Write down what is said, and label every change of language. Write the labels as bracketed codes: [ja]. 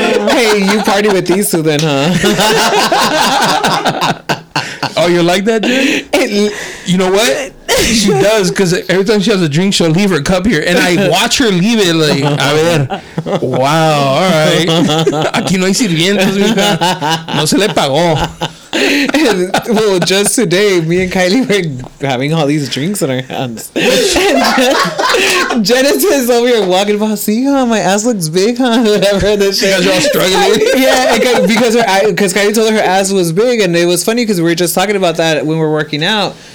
[en] Hey, you party with these two then, huh? Oh, you like that, Jen? You know what? She does, because every time she has a drink, she'll leave her cup here. And I watch her leave it, like, [es] a ver. [en] Wow, all right. [es] Aquí no hay sirvientes, mija. No se le pagó. [en] Well, just today, me and Kylie were having all these drinks in our hands. Genesis is over here walking by. See, huh? My ass looks big, huh? Whatever. She got y'all struggling. Yeah, because Kylie told her ass was big. And it was funny because we were just talking about that when we were working out.